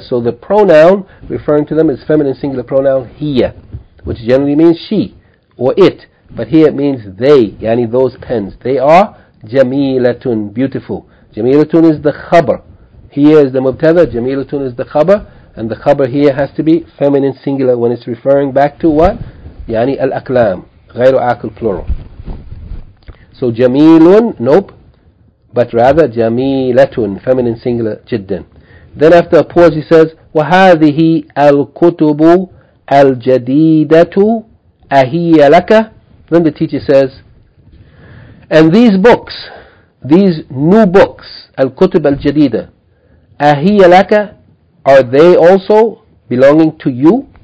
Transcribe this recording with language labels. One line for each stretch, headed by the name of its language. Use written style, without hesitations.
English: So the pronoun referring to them is feminine singular pronoun هي, which generally means she or it. But here it means they, يعني those pens. They are جميلتون, beautiful. جميلتون is the خبر. Here is the مبتدأ, جميلتون is the خبر. And the خبر here has to be feminine singular when it's referring back to what? يعني الأكلام, غير عاقل plural. So جميلون, nope. But rather, جميلتون, feminine singular, جدا. Then after a pause, he says,
Arabic: وهذه الكتب الجديدة أهي لك.
English: Then the teacher says, and these books, these new books,
Arabic: الكتب الجديدة, أهي لك,
English: are they also belonging to you?